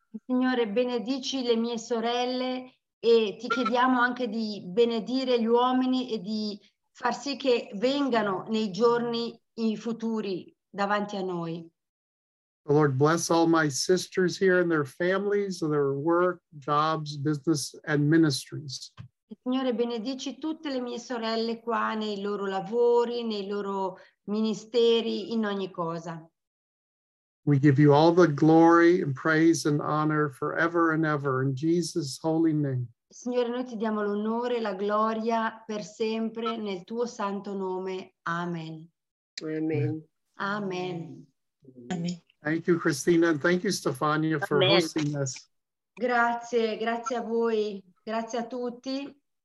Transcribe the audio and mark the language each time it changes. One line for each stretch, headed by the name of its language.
Italian: Signore, benedici le mie sorelle e ti chiediamo anche di benedire gli uomini e di far sì che vengano nei giorni in futuri davanti a noi.
English: The Lord bless all my sisters here and their families, their work, jobs, business, and ministries.
Italian: Signore, benedici tutte le mie sorelle qua nei loro lavori, nei loro ministeri, in ogni cosa.
English: We give you all the glory and praise and honor forever and ever in Jesus' holy name.
Italian: Signore, noi ti diamo l'onore e la gloria per sempre nel tuo santo nome.
English: Amen. Amen. Amen. Amen. Thank you, Christina, and thank you, Stefania, for Amen. Hosting us.
Italian: Grazie, grazie a voi. Grazie a tutti.